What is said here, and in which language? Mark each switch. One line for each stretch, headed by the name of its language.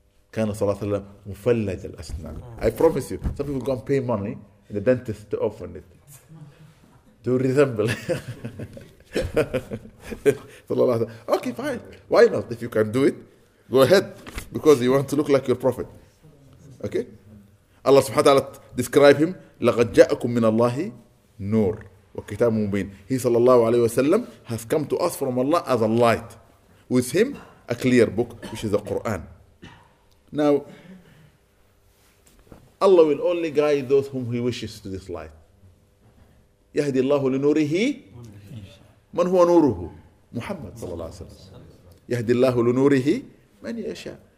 Arabic: Kana sallallahu alayhi wa sallam, mufallaj al-asnan.
English: I promise you, some people go and pay money in the dentist to open it. To resemble. Sallallahu alayhi wa sallam. Okay, fine. Why not? If you can do it, go ahead. Because you want to look like your Prophet. Okay?
Arabic: الله سبحانه وتعالى
English: describe him,
Arabic: لقد جاءكم من الله نور وكتاب مبين.
English: He صلى الله عليه وسلم has come to us from Allah as a light. With him, a clear book, which is the Quran. Now, Allah will only guide those whom he wishes to this light.
Arabic: يهدي الله لنوره من هو نوره محمد صلى الله عليه وسلم يهدي الله لنوره من يشاء.